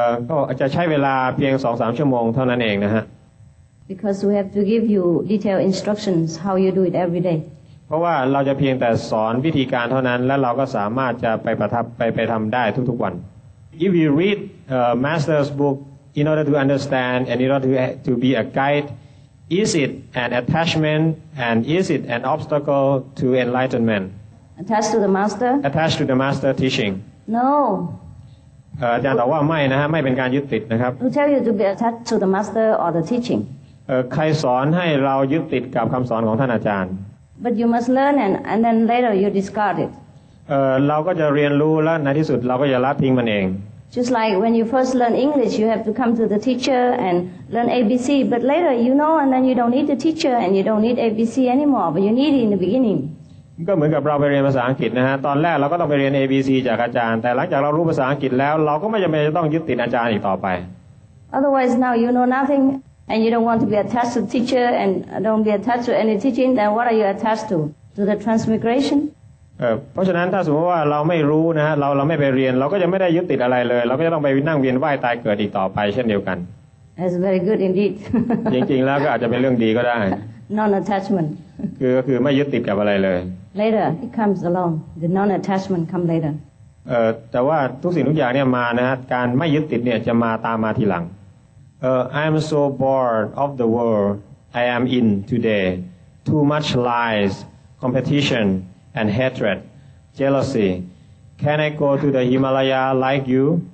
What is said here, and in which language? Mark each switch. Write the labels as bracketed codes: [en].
[th] ก็จะใช้เวลาเพียง 2-3 ชั่วโมงเท่านั้นเองนะฮะ [en] Because we have to give you detailed instructions how you do it every day. [th] เพราะว่าเราจะเพียงแต่สอนวิธีการเท่านั้นและเราก็สามารถจะไปประทับไปทำได้ทุกๆวัน [en] If you read Master's book in order to understand and in order to be a guide, is it an attachment and is it an obstacle to enlightenment? Attached to the master? Attached to the master teaching. No. [th] อาจารย์ตอบว่าไม่นะฮะไม่เป็นการยึดติดนะครับ [en] Who tell you to be attached to the master or the teaching? [th] ใครสอนให้เรายึดติดกับคำสอนของท่านอาจารย์ [en] But you must learn and then later you discard it. [th] เราก็จะเรียนรู้และในที่สุดเราก็จะละทิ้งมันเอง [en] Just like when you first learn English, you have to come to the teacher and learn ABC. But later you know and then you don't need the teacher and you don't need ABC anymore. But you need it in the beginning. [th] ก็เหมือนกับเราไปเรียนภาษาอังกฤษนะฮะตอนแรกเราก็ต้องไปเรียน ABC จากอาจารย์แต่หลังจากเรารู้ภาษาอังกฤษแล้วเราก็ไม่จำเป็นจะต้องยึดติดอาจารย์อีกต่อไป [en] Otherwise now you know nothing and you don't want to be attached to teacher and don't be attached to any teaching then what are you attached to? To the transmigration? [th] เพราะฉะนั้นถ้าสมมติว่าเราไม่รู้นะฮะเราไม่ไปเรียนเราก็จะไม่ได้ยึดติดอะไรเลยเราก็จะต้องไปนั่งเวียนว่ายตายเกิดอีกต่อไปเช่นเดียวกัน [en] That's very good indeed [th] จริงๆแล้วก็อาจจะเป็นเรื่องดีก็ได้ [en] Non-attachment. [th] คือไม่ยึดติดกับอะไรเลย [en] Later, it comes along. The non-attachment come later. [th] แต่ว่าทุกสิ่งทุกอย่างเนี่ยมานะฮะการไม่ยึดติดเนี่ยจะมาตามมาทีหลัง [en] I am so bored of the world I am in today. Too much lies, competition, and hatred, jealousy. Can I go to the Himalaya like you?